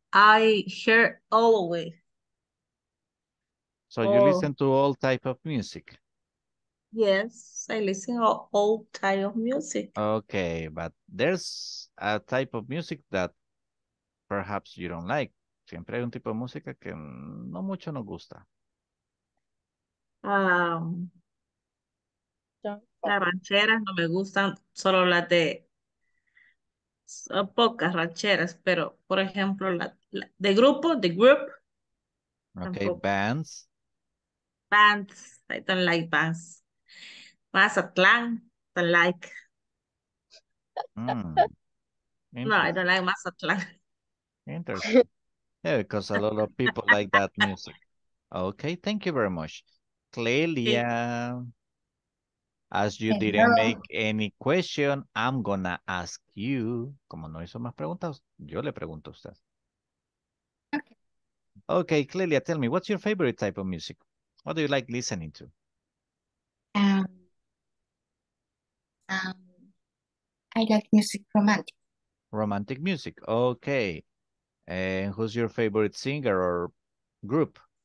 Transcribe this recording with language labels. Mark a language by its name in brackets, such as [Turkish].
[English] I hear all the way. So you listen to all type of music? Yes, I listen to all type of music. Okay, but there's a type of music that perhaps you don't like. [Spanish] Siempre hay un tipo de música que no mucho nos gusta. La ranchera no me gustan, solo las de pocas rancheras, pero por ejemplo [English] the group. [Spanish] Okay, tampoco. Bands. [English] Bands, I don't like bands. Mazatlán, don't like. No, I don't like Mazatlán. Interesting. Yeah, because a lot of people like that music. Okay, thank you very much. Clelia, as you didn't make any question, I'm gonna ask you. [Spanish] Como no hizo más preguntas, yo le pregunto a usted. [English] Okay, Clelia, tell me, what's your favorite type of music? What do you like listening to? I like music romantic. Romantic music, okay. And who's your favorite singer or group?